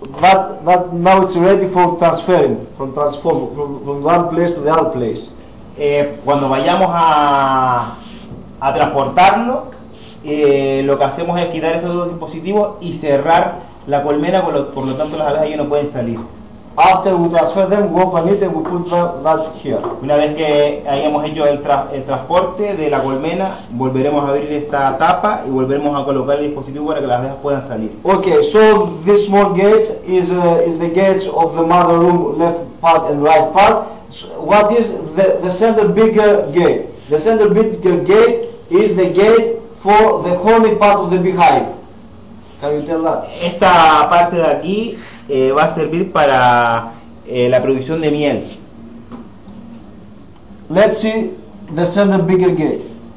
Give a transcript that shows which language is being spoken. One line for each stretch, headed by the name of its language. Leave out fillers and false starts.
English: That now it's ready for transferring from one place to the other place.
Spanish: Cuando vayamos a transportarlo, lo que hacemos es quitar estos dos dispositivos y cerrar la colmena, por lo tanto las abejas ya no pueden salir.
English: After we transfer them, we open it and we put that here.
Spanish: Una vez que hayamos hecho el transporte de la colmena, volveremos a abrir esta tapa y volveremos a colocar el dispositivo para que las abejas puedan salir.
English: Okay, so this small gate is the gate of the mother room, left part and right part. So what is the center bigger gate? The center bigger gate is the gate for the honey part of the beehive. Can you tell that?
Spanish: Esta parte de aquí va a servir para la producción de miel.
English: Let's see the center bigger gate.